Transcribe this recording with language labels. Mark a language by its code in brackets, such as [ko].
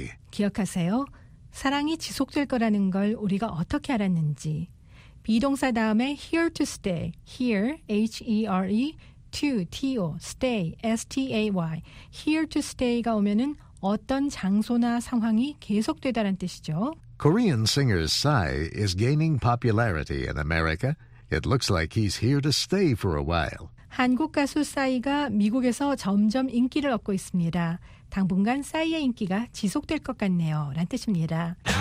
[ko] 기억하세요. 사랑이 지속될 거라는 걸 우리가 어떻게 알았는지. 비동사 다음에 here to stay. [en] Here, H-E-R-E, to, T-O, stay, S-T-A-Y. [ko] Here to stay가 오면은 어떤 장소나 상황이 계속되다란 뜻이죠. [en] Korean singer Psy is gaining popularity in America. It looks like he's here to stay for a while. [ko] 한국 가수 싸이가 미국에서 점점 인기를 얻고 있습니다. 당분간 싸이의 인기가 지속될 것 같네요. 라는 뜻입니다.